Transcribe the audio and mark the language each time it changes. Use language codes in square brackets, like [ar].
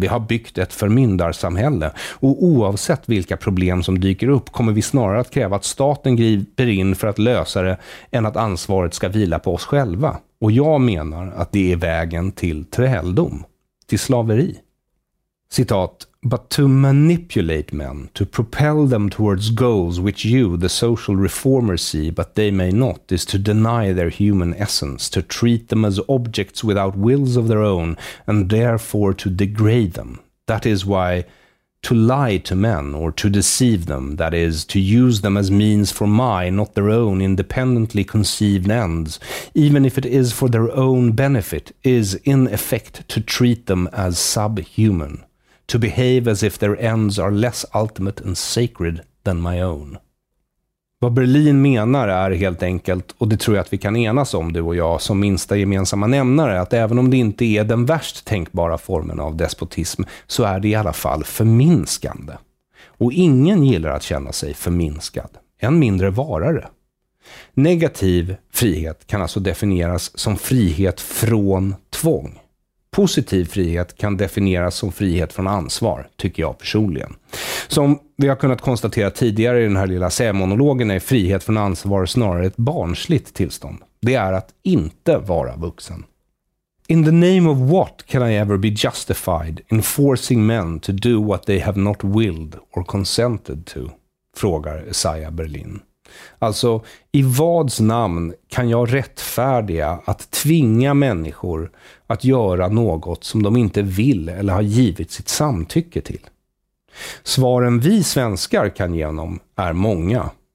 [sv] Vi har byggt ett förmyndarsamhälle och oavsett vilka problem som dyker upp kommer vi snarare att kräva att staten griper in för att lösa det än att ansvaret ska vila på oss själva. Och jag menar att det är vägen till träldom, till slaveri. Citat. [en] But to manipulate men, to propel them towards goals which you, the social reformers, see but they may not, is to deny their human essence, to treat them as objects without wills of their own, and therefore to degrade them. That is why to lie to men, or to deceive them, that is, to use them as means for my, not their own, independently conceived ends, even if it is for their own benefit, is in effect to treat them as subhuman. To behave as if their ends are less ultimate and sacred than my own. [sv] Vad Berlin menar är helt enkelt, och det tror jag att vi kan enas om, du och jag, som minsta gemensamma nämnare, att även om det inte är den värst tänkbara formen av despotism, så är det i alla fall förminskande. Och ingen gillar att känna sig förminskad, än mindre varare. Negativ frihet kan alltså definieras som frihet från tvång. Positiv frihet kan definieras som frihet från ansvar, tycker jag personligen. Som vi har kunnat konstatera tidigare i den här lilla sämonologen är frihet från ansvar snarare ett barnsligt tillstånd. Det är att inte vara vuxen. [en] In the name of what can I ever be justified in forcing men to do what they have not willed or consented to? [sv] Frågar Isaiah Berlin. Alltså, i vads namn kan jag rättfärdiga att tvinga människor att göra något som de inte vill eller har givit sitt samtycke till? Svaren vi svenskar kan ge honom är många.